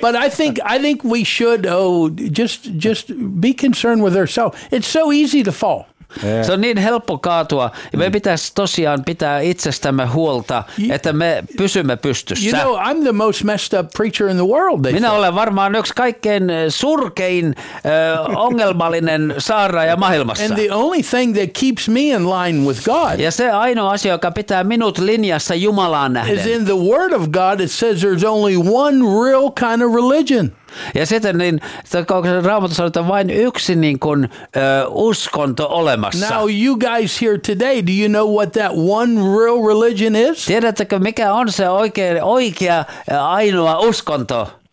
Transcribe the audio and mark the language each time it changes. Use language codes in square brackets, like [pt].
[en] But I think we should just be concerned with ourselves. It's so easy to fall. Yeah. [fi] Se on niin helppo kaatua. Me pitäisi tosiaan pitää itsestämme huolta, että me pysymme pystyssä. [en] You know, I'm the most messed up preacher in the world. [fi] Minä olen varmaan yksi kaikkein surkein ongelmallinen saarnaaja maailmassa. [en] And the only thing that keeps me in line with God. [fi] Ja se ainoa asia, joka pitää minut linjassa Jumalaan nähden. [en] Is in the word of God, it says there's only one real kind of religion. [fi] Ja sitten niin, Raamattu sanoo, että vain yksi niin kuin, uskonto olemassa. [en] Now you guys here today, do you know what that one real religion is? [fi] Tiedättekö, mikä on se oikea ainoa uskonto?